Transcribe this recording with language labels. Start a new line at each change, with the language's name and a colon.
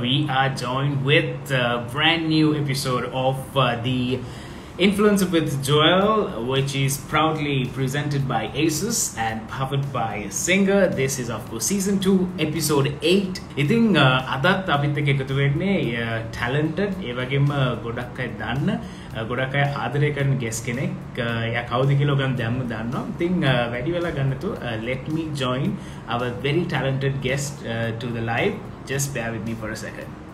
English: We are joined with a brand new episode of the Influencer with Joel, which is proudly presented by Asus and powered by Singer. This is of course season 2, episode 8.
Sinhala: ඉතින් අදත් අපිත් එක්ක එකතු වෙන්නේ talented, ඒ වගේම ගොඩක් අය දන්න, ගොඩක් අය ආදරය කරන guest කෙනෙක්. එයා කවුද කියලා ගම් දැම්ම දන්නවා. ඉතින් වැඩි වෙලා ගන්නතු
English: let me join our very talented guest to the live. Just bear with me for a second.